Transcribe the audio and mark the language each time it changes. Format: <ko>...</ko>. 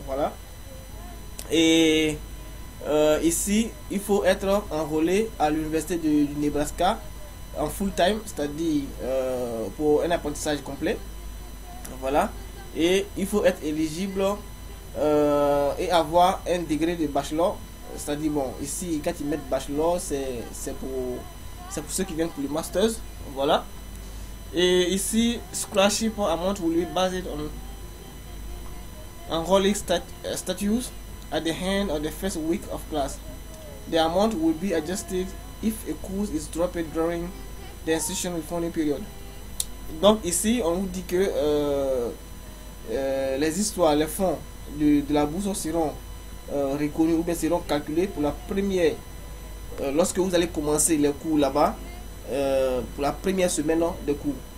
<fr>Voilà, et ici il faut être enrôlé à l'université du Nebraska en full time, c'est-à-dire pour un apprentissage complet. Voilà, et il faut être éligible et avoir un degré de bachelor, c'est-à-dire bon, ici quand ils mettent bachelor, c'est pour ceux qui viennent pour le master. Voilà. Et ici,</fr> <en>scholarship amount will be based on enrolling status at the end of the first week of class. The amount will be adjusted if a course is dropped during the institution refunding period.</en> <fr>Donc ici, on vous dit que les histoires, les fonds de la bourse seront reconnus ou bien seront calculés pour la première. Lorsque vous allez commencer les cours là-bas, pour la première semaine de cours.</fr>